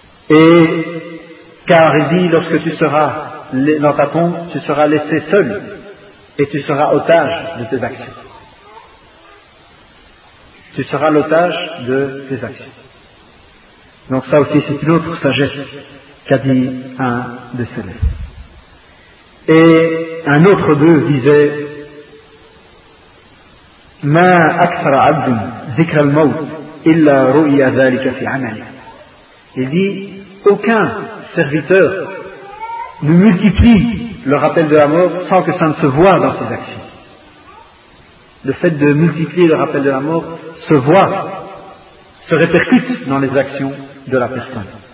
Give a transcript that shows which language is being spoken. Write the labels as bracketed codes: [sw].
[fr] Et car il dit, lorsque tu seras dans ta tombe, tu seras laissé seul et tu seras otage de tes actions. Tu seras l'otage de tes actions. Donc ça aussi, c'est une autre sagesse qu'a dit un des célèbres. Et un autre d'eux disait, [ar] ما أكثر عبد ذكر الموت إلا رؤيا ذلك في عمله. [fr] Il dit, aucun serviteur ne multiplie le rappel de la mort sans que ça ne se voit dans ses actions. Le fait de multiplier le rappel de la mort se voit, se répercute dans les actions de la personne.